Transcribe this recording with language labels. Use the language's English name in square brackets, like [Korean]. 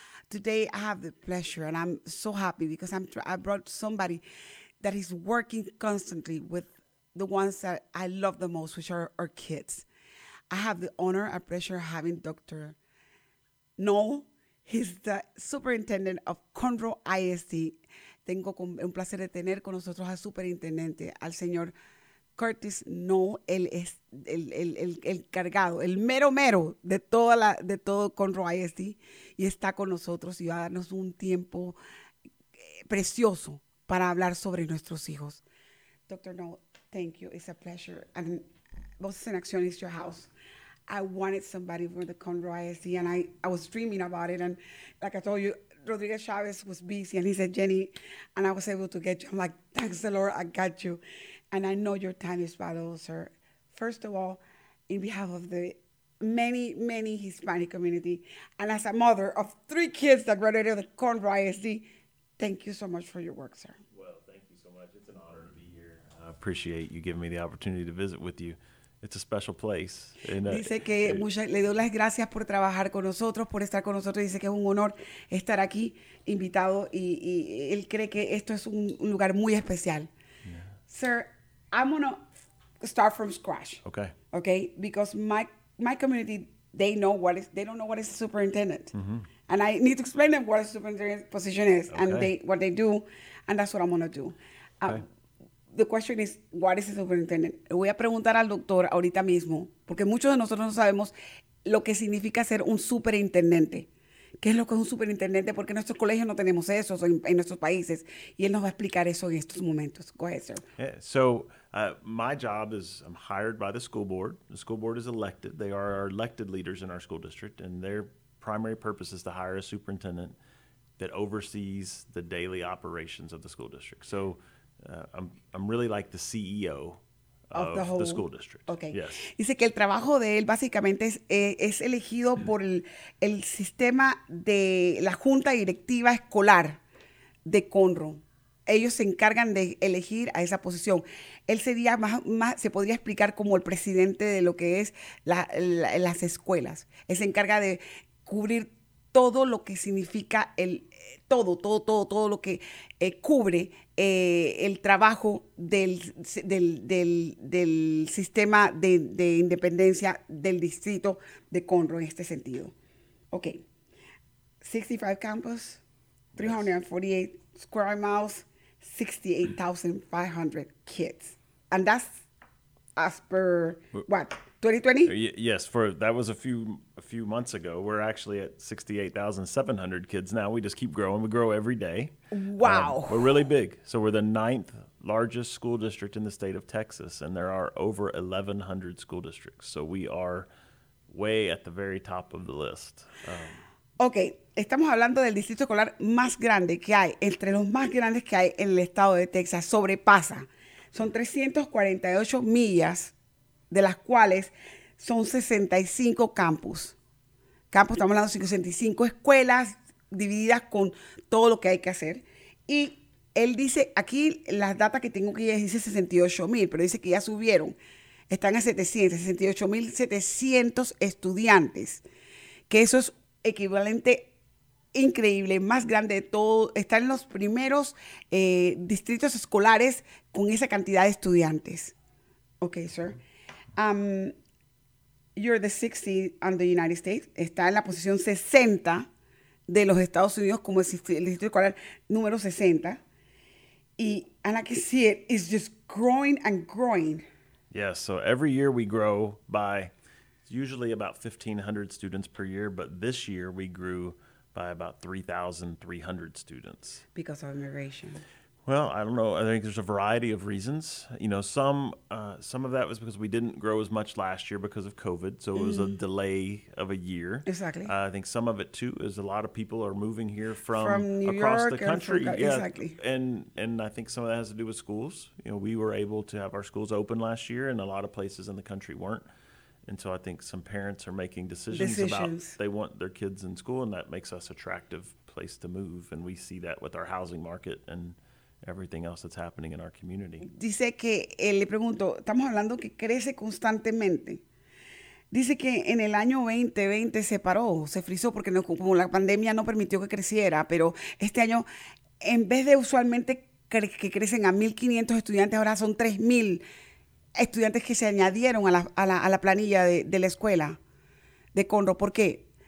[English] Today I have the pleasure and I'm so happy because I brought somebody that is working constantly with the ones that I love the most, which are our kids. I have the honor and pleasure of having Dr. Null. He's the superintendent of Conroe ISD. [Spanish] Tengo un placer de tener con nosotros al superintendente, al señor Curtis Null. Él es el cargado, el mero mero de todo Conroe ISD, y está con nosotros y va a darnos un tiempo precioso para hablar sobre nuestros hijos. [English] Dr. Null, thank you. It's a pleasure. And Voces en Acción is your house. I wanted somebody from the Conroe ISD, and I was dreaming about it. And like I told you, Rodriguez Chavez was busy, and he said, Jenny, and I was able to get you. I'm like, thanks the Lord, I got you. And I know your time is valuable, sir. First of all, in behalf of the many, many Hispanic community, and as a mother of three kids that graduated the Conroe ISD, thank you so much for your work, sir. Well, thank you so much. It's an honor to be here. I appreciate you giving me the opportunity to visit with you. It's a special place. [Spanish] Dice que le doy las gracias por trabajar con nosotros, por estar con nosotros. Dice que es un honor estar aquí, invitado, y él cree que esto es un lugar muy especial. [English] Yeah. Sir, I'm going to start from scratch. Okay. Okay, because my community, they don't know what is a superintendent. Mm-hmm. And I need to explain them what a superintendent position is, okay, and what they do, and that's what I'm going to do. Okay. The question is, what is a superintendent? [Spanish] Voy a preguntar al doctor ahorita mismo, porque muchos de nosotros no sabemos lo que significa ser un superintendente. ¿Qué es lo que es un superintendente? Porque en nuestros colegios no tenemos eso en nuestros países. Y él nos va a explicar eso en estos momentos. [English] Go ahead, sir. Yeah. So, my job is, I'm hired by the school board. The school board is elected. They are our elected leaders in our school district. And their primary purpose is to hire a superintendent that oversees the daily operations of the school district. So, I'm really like the CEO of the whole, the school district. Okay. Yes. [Spanish] Dice que el trabajo de él básicamente es elegido por el sistema de la junta directiva escolar de Conroe. ellos se encargan de elegir a esa posición. Él sería más se podría explicar como el presidente de lo que es las escuelas. Él se encarga de cubrir todo lo que significa el todo lo que cubre el trabajo del sistema de independencia del distrito de Conroe en este sentido. [English] Ok. 65 campus, 348 square miles, 68,500 kids. And that's as per what? 2020? Yes, that was a few months ago. We're actually at 68,700 kids now. We just keep growing. We grow every day. Wow. We're really big. So we're the ninth largest school district in the state of Texas, and there are over 1,100 school districts. So we are way at the very top of the list. [Spanish] Okay, estamos hablando del distrito escolar más grande que hay, entre los más grandes que hay en el estado de Texas, sobrepasa. Son 348 millas, de las cuales son 65 campus. Campus, estamos hablando de 65 escuelas divididas con todo lo que hay que hacer. Y él dice, aquí las datas que tengo aquí dice 68 mil, pero dice que ya subieron. Están en 68,700 estudiantes, que eso es equivalente increíble, más grande de todo. Están en los primeros distritos escolares con esa cantidad de estudiantes. [English] Okay, sir. You're the 60th in the United States. [Spanish] Está en la posición 60 de los Estados Unidos como el distrito escolar número 60. [English] Y, and I can see it, it's just growing and growing. Yes, so every year we grow by usually about 1,500 students per year, but this year we grew by about 3,300 students. Because of immigration. Well, I don't know. I think there's a variety of reasons. You know, some of that was because we didn't grow as much last year because of COVID, so it was a delay of a year. Exactly. I think some of it, too, is a lot of people are moving here from New across York the country. From, yeah. Exactly. And I think some of that has to do with schools. You know, we were able to have our schools open last year, and a lot of places in the country weren't. And so I think some parents are making decisions about they want their kids in school, and that makes us an attractive place to move. And we see that with our housing market and everything else that's happening in our community. [Spanish] Dice que, le pregunto, estamos hablando que crece constantemente. Dice que en el año 2020 se paró, se frizó, porque no, como la pandemia no permitió que creciera. Pero este año, en vez de usualmente que crecen a 1,500 estudiantes, ahora son 3,000 estudiantes que se añadieron a la planilla de la escuela de Conroe. ¿Por qué?